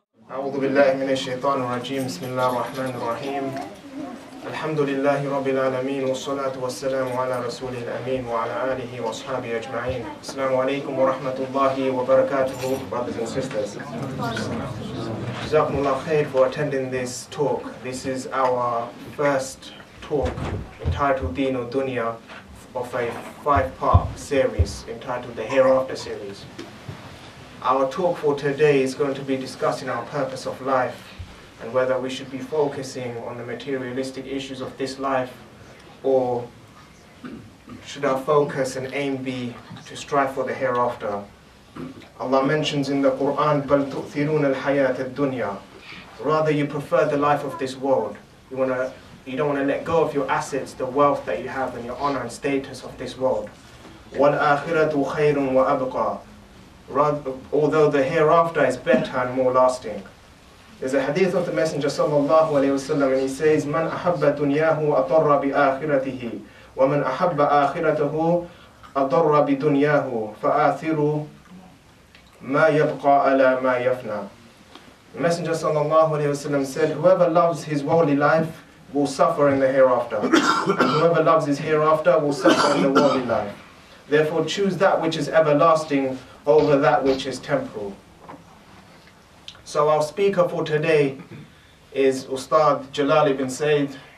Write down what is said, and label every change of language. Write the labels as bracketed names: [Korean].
[Arabic] أعوذ بالله من الشيطان الرجيم بسم الله الرحمن الرحيم الحمد لله رب العالمين والصلاة والسلام على رسول الأمين وعلى آله وصحبه أجمعين السلام عليكم ورحمة الله وبركاته [English] brothers and sisters. JazakAllah khair for attending this talk. This is our first talk entitled Deen or Dunya of a five-part series entitled the Hereafter series. Our talk for today is going to be discussing our purpose of life and whether we should be focusing on the materialistic issues of this life or should our focus and aim be to strive for the hereafter. Allah mentions in the Quran, [Arabic] بَلْ تُؤْثِرُونَ الْحَيَاةَ الدُّنْيَا. [English] Rather, you prefer the life of this world. You don't want to let go of your assets, the wealth that you have and your honor and status of this world. [Arabic] وَالْآخِرَةُ خَيْرٌ وَأَبْقَى. [English] Although the hereafter is better and more lasting. There's a hadith of the Messenger sallallahu alayhi wasallam, and he says, [Arabic] مَنْ أَحَبَّ دُنْيَاهُ أَطَرَّ بِآخِرَتِهِ وَمَنْ أَحَبَّ آخِرَتَهُ أَطَرَّ بِدُنْيَاهُ فَآثِرُ مَا يَبْقَى أَلَى مَا يَفْنَى. [English] The Messenger sallallahu alayhi wasallam said, whoever loves his worldly life will suffer in the hereafter. Whoever loves his hereafter will suffer in the worldly life. Therefore choose that which is everlasting over that which is temporal. So our speaker for today is Ustad Jalal Ibn Saeed.